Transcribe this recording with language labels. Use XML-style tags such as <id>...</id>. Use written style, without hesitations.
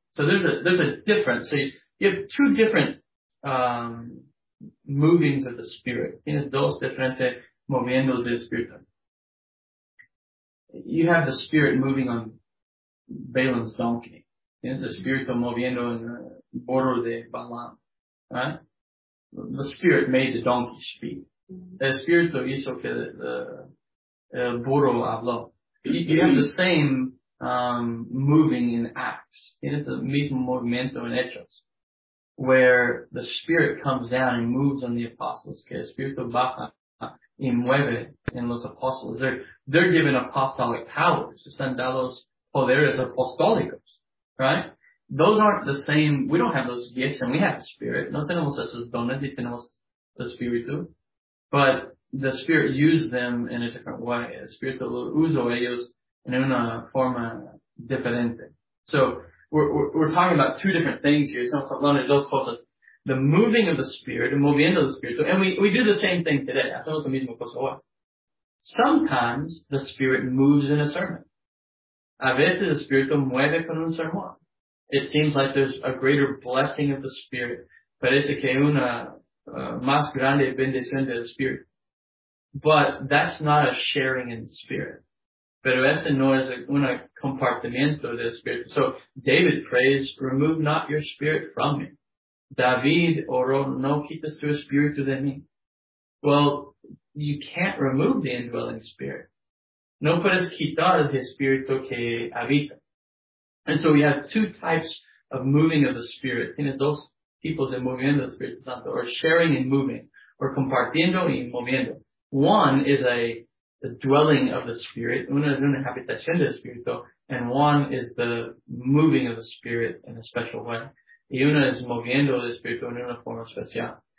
<en>So there's a difference. So you have two different movings of the spirit.</en> <es>Tienes dos diferentes movimientos del espíritu.</es> <en>You have the Spirit moving on Balaam's donkey.</en> <es>Tienes el Espíritu moviendo en el borde de Balaam.</es> <en>Right? The Spirit made the donkey speak.</en> <es>El Espíritu hizo que el burro habló.</es> <en>You have the same moving in Acts.</en> <es>Tienes el mismo movimiento en Hechos.</es> <en>Where the Spirit comes down and moves on the apostles.</en> <es>Que el Espíritu baja y mueve en los apóstoles.</es> <en>They're given apostolic powers.</en> <es>Están dados poderes apostólicos.</es> <en>Right? Those aren't the same. We don't have those gifts and we have the Spirit.</en> <es>No tenemos esos dones y tenemos el Espíritu.</es> <en>But the Spirit used them in a different way.</en> <es>El Espíritu lo usó ellos en una forma diferente.</es> <en>So, we're talking about two different things here.</en> <es>Estamos hablando de dos cosas.</es> <en>The moving of the Spirit,</en> <es>el movimiento del Espíritu.</es> <en>And we do the same thing today.</en> <es>Hacemos lo mismo cosa hoy.</es> <en>Sometimes the Spirit moves in a sermon.</en> <es>A veces el Espíritu mueve con un sermón.</es> <en>It seems like there's a greater blessing of the Spirit.</en> <es>Parece que hay una más grande bendición del Espíritu.</es> <en>But that's not a sharing in the Spirit.</en> <es>Pero ese no es un compartimiento del Espíritu.</es> <en>So David prays, remove not your Spirit from me.</en> <es>David oró, no quites tu Espíritu de mí.</es> <en>Well, you can't remove the indwelling Spirit.</en> <es>No puedes quitar el Espíritu que habita.</es> <en>And so we have two types of moving of the Spirit.</en> <es>Tienes dos tipos de movimiento del Espíritu Santo,</es> <en>or sharing and moving,</en> <es>or compartiendo y moviendo.</es> <en>One is the dwelling of the Spirit.</en> <es>Una es una habitación del Espíritu.</es> <en>And one is the moving of the Spirit in a special way.</en> <es>Y una es moviendo el Espíritu en una forma especial.</es>